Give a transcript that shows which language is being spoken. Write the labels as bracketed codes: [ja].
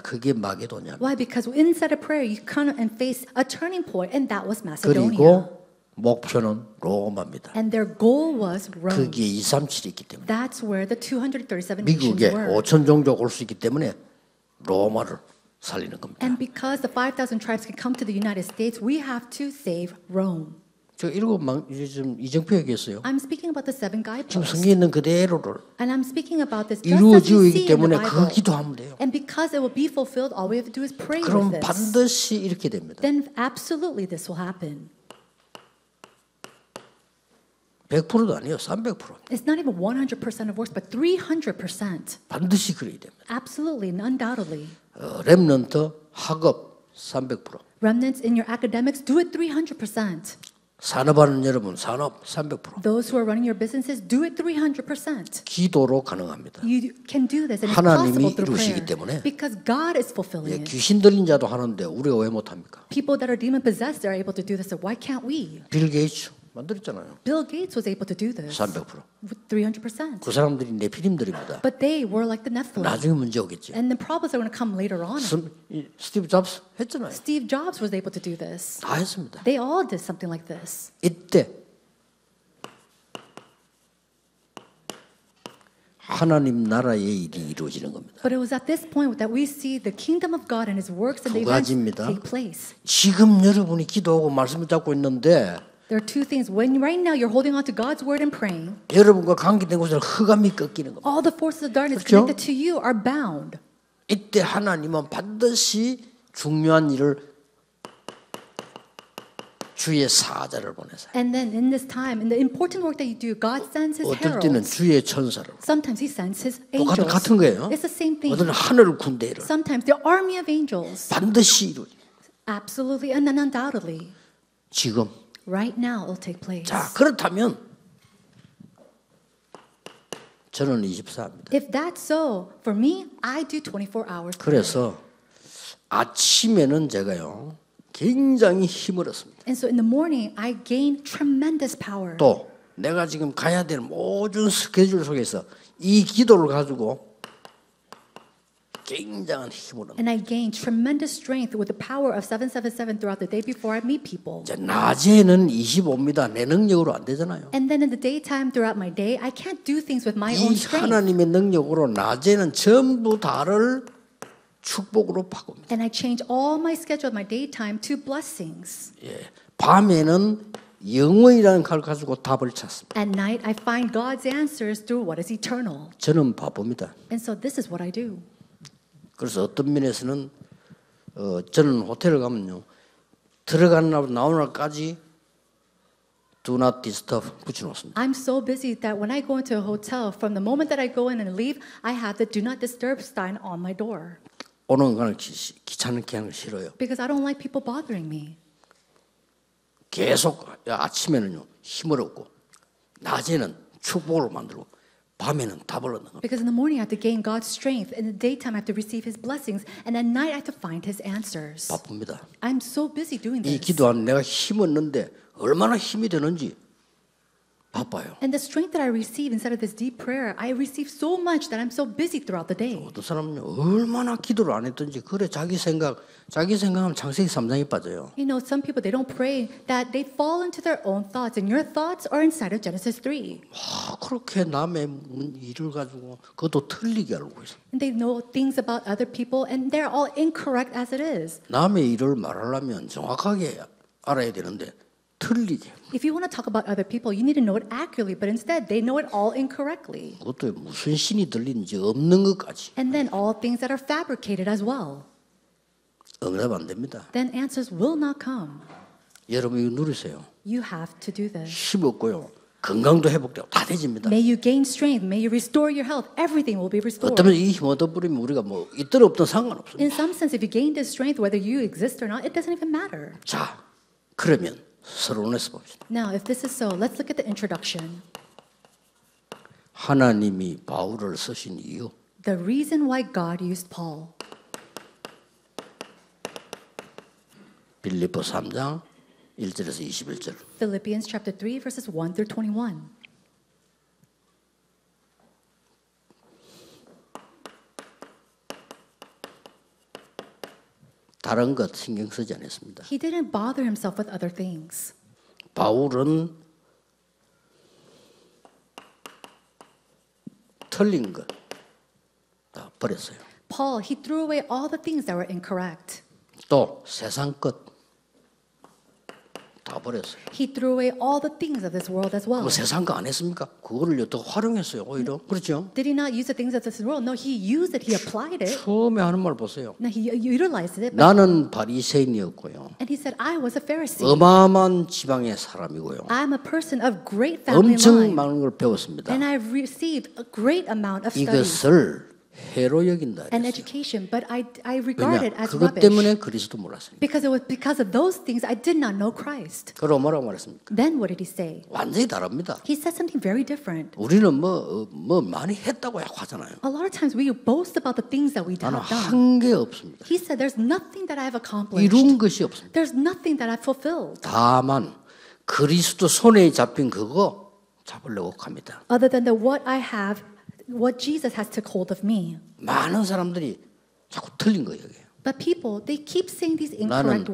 [ko] 그게 마게도냐입니다. [en] Why? Because inside a prayer you come and face a turning point and that was Macedonia. [ko] 그리고 목표는 로마입니다. [en] And their goal was Rome. [ko] 그게 237이기 때문에. [en] That's where the 237 [ko] 미국에 5천 종족 올 수 있기 때문에 로마를 살리는 겁니다. [en] And because the 5,000 tribes can come to the United States, we have to save Rome. [ko] 저 일곱 망 이제 좀 이정표 얘기했어요. [en] I'm speaking about the seven guideposts. [ko] 지금 성경에 있는 그대로를. [en] And I'm speaking about this. [ko] 이루어지기 때문에 그 기도하면 돼요. [en] And because it will be fulfilled, all we have to do is pray. [ko] 그럼 [en] with this. [ko] 반드시 이렇게 됩니다. [en] Then absolutely this will happen. [ko] 100%도 아니에요. 300%. [en] It's not even 100% of works, but 300%. [ko] 반드시 그래야 됩니다. [en] Absolutely, undoubtedly. [ko] 렘넌트 학업 300%. [en] Remnants in your academics, do it 300%. [ko] 산업하는 여러분, 산업 300%. [en] Those who are running your businesses, do it 300%. [ko] 기도로 가능합니다. [en] You can do this, and possible through prayer. Because God is fulfilling it. [ko] 예, 귀신 들린 자도 하는데 우리가 왜 못합니까? [en] People that are demon possessed are able to do this, so why can't we? [ko] 빌 게이츠 만들었잖아요. [en] Bill Gates was able to do this. 300%. [ko] 그 사람들이 네피림들입니다. [en] But they were like the Nephilim. [ko] 나중에 문제 오겠지. [en] And the problems are going to come later on. [ko] Steve Jobs 했잖아요. [en] Steve Jobs was able to do this. [ko] 다 했습니다. [en] They all did something like this. [ko] 이때 하나님 나라의 일이 이루어지는 겁니다. [en] But it was at this point that we see the kingdom of God and His works and the events take place. [ko] 지금 여러분이 기도하고 말씀을 잡고 있는데. [en] There are two things. When right now you're holding on to God's word and praying, [ko] 여러분과 관계된 곳을 흑암이 꺾이는 겁니다. [en] All the forces of darkness [ko] 그렇죠? [en] connected to you are bound. [ko] 이때 하나님은 반드시 중요한 일을 주의 사자를 보내세요. [en] And then in this time, in the important work that you do, God sends His heralds. [ko] 어떨 때는 주의 천사를. [en] Sometimes He sends His angels. [ko] 같은 거예요. [en] It's the same thing. [ko] 어떤 하늘 군대를. [en] Sometimes the army of angels. [ko] 반드시 이루어요. [en] Absolutely and then undoubtedly. [ko] 지금. [en] Right now, it'll take place. [ko] 자 그렇다면 저는 24입니다. [en] If that's so, for me, I do 24 hours. [ko] 그래서 아침에는 제가요 굉장히 힘을 얻습니다. [en] And so in the morning, I gain tremendous power. [ko] 또 내가 지금 가야 될 모든 스케줄 속에서 이 기도를 가지고. 굉장한 힘으로. [en] And I gain tremendous strength with the power of 777 throughout the day before I meet people. [ko] 자, 낮에는 25입니다. 내 능력으로 안 되잖아요. [en] And then in the daytime throughout my day, I can't do things with my own strength. [ko] 하나님의 능력으로 낮에는 전부 다를 축복으로 바꿉니다. [en] And I change all my schedule of my daytime to blessings. [ko] 예, 밤에는 영원이라는 칼 가지고 답을 찾습니다. [en] At night, I find God's answers through what is eternal. [ko] 저는 바쁩니다. [en] And so this is what I do. [ko] 그래서 어떤 면에서는 저는 호텔을 가면요 들어가는 날 나오는 날까지 [en] do not disturb [ko] 붙여놓습니다. [en] I'm so busy that when I go into a hotel, from the moment that I go in and leave, I have the do not disturb sign on my door. [ko] 오는 건 귀찮게 하는 걸 싫어요. [en] Because I don't like people bothering me. [ko] 계속 아침에는요 힘을 얻고 낮에는 축복을 만들고. 밤에는 답을 얻는 겁니다. [en] Because in the morning I have to gain God's strength, in the daytime I have to receive His blessings, and at night I have to find His answers. [ko] 바쁩니다. [en] I'm so busy doing this. [ko] 이 기도하는 내가 힘 얻는데 얼마나 힘이 되는지 바빠요. [en] And the strength that I receive instead of this deep prayer, I receive so much that I'm so busy throughout the day. [ko] 어떤 사람은 얼마나 기도를 안 했든지 그래 자기 생각하면 창세기 3장에 빠져요. [en] You know, some people they don't pray that they fall into their own thoughts, and your thoughts are inside of Genesis 3. [ko] 그렇게 남의 일을 가지고 그것도 틀리게 알고 있어. [en] And they know things about other people, and they're all incorrect as it is. [ko] 남의 일을 말하려면 정확하게 알아야 되는데. 틀리게. [en] If you want to talk about other people, you need to know it accurately, but instead, they know it all incorrectly. [ko] 그것도 무슨 신이 들리는지 없는 것까지. [en] And then all things that are fabricated as well. [ko] 응답 안 됩니다. [en] Then answers will not come. [ko] 여러분 이거 누르세요. [en] You have to do this. [ko] 힘 얻고요. 건강도 회복되고 다 되집니다. [en] May you gain strength. May you restore your health. Everything will be restored. [ko] 어쩌면 이 힘 얻어버리면 우리가 뭐 있든 없든 상관없습니다. [en] In some sense, if you gain this strength, whether you exist or not, it doesn't even matter. [ko] 자, 그러면. 서론에서 봅시다. [en] Now, if this is so, let's look at the introduction. [ko] 하나님이 바울을 쓰신 이유. [en] The reason why God used Paul. [ko] 빌립보 3장 1절에서 21절. [en] Philippians chapter 3 verses 1 through 21. [ko] 다른 것 신경 쓰지 않았습니다. [en] He didn't bother himself with other things. [ko] 바울은 틀린 것 다 버렸어요. [en] Paul, he threw away all the things that were incorrect. [ko] 또 세상 것 다 버렸어요. [en] He threw away all the things of this world as well. [ko] 뭐 세상 거 안 했습니까? 그거를 어떻게 활용했어요? 오히려 그렇죠. [en] Did he not use the things of this world? No, he used it. He applied it. [ko] 처음에 하는 말 보세요. [en] No, he utilized it. [ko] 나는 바리새인이었고요. [en] And he said, I was a Pharisee. [ko] 어마어마한 지방의 사람이고요. [en] I'm a person of great family. [ko] 엄청 많은 걸 배웠습니다. [en] And I've received a great amount of study. [ko] 이것을 해로 여긴다. [en] An education, but I regard it as rubbish. [ko] 그것 때문에 그리스도 몰랐습니다. [en] Because it was because of those things I did not know Christ. [ko] 그럼 뭐라고 말했습니까? [en] Then what did he say? [ko] 완전히 다릅니다. [en] He said something very different. [ko] 우리는 뭐 많이 했다고 약하잖아요. [en] A lot of times we boast about the things that we have done. [ko] 나는 한 게 없습니다. [en] He said there's nothing that I have accomplished. [ko] 이룬 것이 없습니다. [en] There's nothing that I fulfilled. [ko] 다만 그리스도 손에 잡힌 그거 잡으려고 갑니다. [en] Other than the what I have. What Jesus has took hold of me. [ko] 많은 사람들이 자꾸 틀린 거예요. 여기. [en] But people, they keep saying these incorrect words.